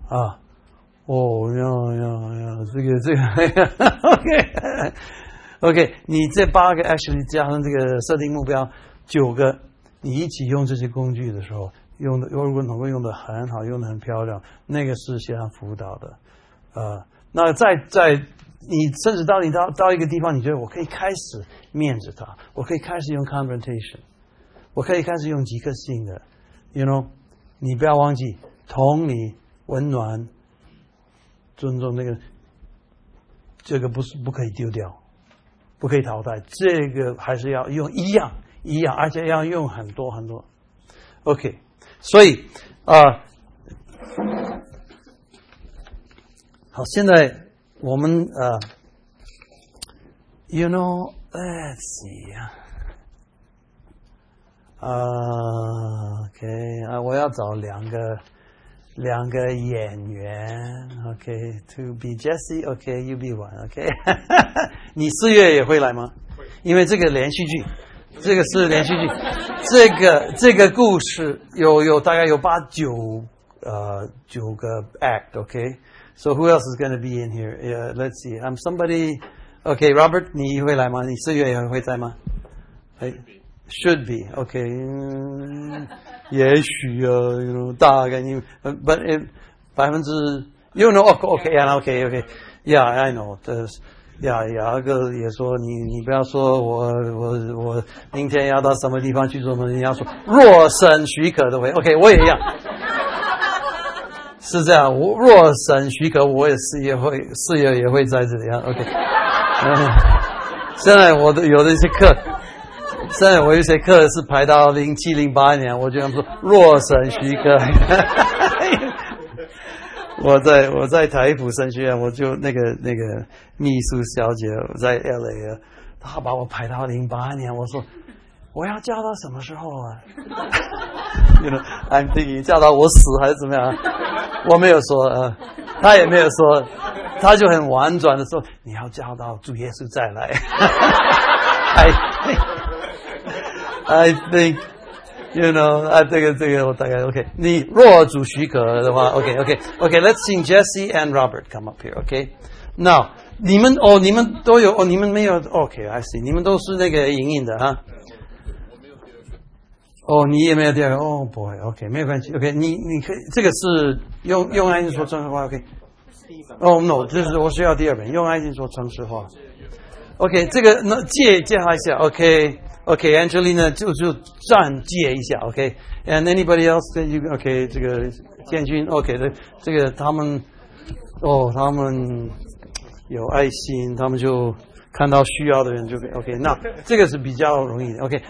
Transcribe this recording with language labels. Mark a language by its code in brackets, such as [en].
[zh] 啊，哦呀呀呀，这个，OK， 你这八个 actually 加上这个设定目标九个，你一起用这些工具的时候，用的如果能够用的很好，用的很漂亮，那个是线上辅导的，那在你甚至到你到一个地方，你觉得我可以开始面子他，我可以开始用 confrontation， 我可以开始用即刻性的 ， [en] you know， [zh] 你不要忘记同理。温暖、尊重，那个，这个不是不可以丢掉，不可以淘汰，这个还是要用一样，而且要用很多很多。 OK， 所以好，现在我们 [en] you know， let's see， [zh] OK， 我要找两个演员 ，OK， [en] to be Jesse， [zh] OK， you be one， OK， 你四月也会来吗？会，因为这个连续剧，这个是连续剧，这个故事有大概有八九九个 act， OK， [en] so who else is going to be in here？ Yeah， let's see， I'm somebody， [zh] OK， Robert， 你会来吗？你四月也会在吗？哎。 [en] Should be okay. [zh] 也许啊 [en] ，you know， [zh] 大概你 [en] ，but it [zh] 百分之 [en] ，you know， okay, yeah, I know. [zh] 这是呀，雅各也说你不要说我明天要到什么地方去做什么，人家说若神许可的会 ，okay， 我也一样，是这样。若神许可，我也是也会事业也会在这里啊 ，okay。现在我都有的一些课。现在我有些课是排到2007、2008年，我就想说若神许可，我在台普神学院，我就那个秘书小姐在 LA， 她把我排到2008年，我说我要叫到什么时候啊？ [en] you know， I'm thinking [zh] 叫到我死还是怎么样？我没有说，她也没有说，她就很婉转的说你要叫到主耶稣再来。 [en] I think, you know, [zh] 这个我大概 [en] OK。 [zh] 你若主许可的话 [en] ，OK。Let's sing Jesse and Robert come up here, OK。 [zh] Now， 你们哦，你们都有哦，你们没有 OK？ [en] I see， [zh] 你们都是那个莹莹的哈。哦，你也没有第二个哦 ，Boy， OK， 没有关系 ，OK 你。你可以这个是用爱心说真实话 ，OK。哦 ，No， 就是我需要第二本，用爱心说诚实话。OK， 这个那借他一下 ，OK。 Okay, Angelina, 就暂借一下 ,okay? [en] And anybody else, then you, [zh] okay, 这个建军 okay, 这个他们哦他们有爱心，他们就看到需要的人就 okay, 那这个是比较容易的 ,okay?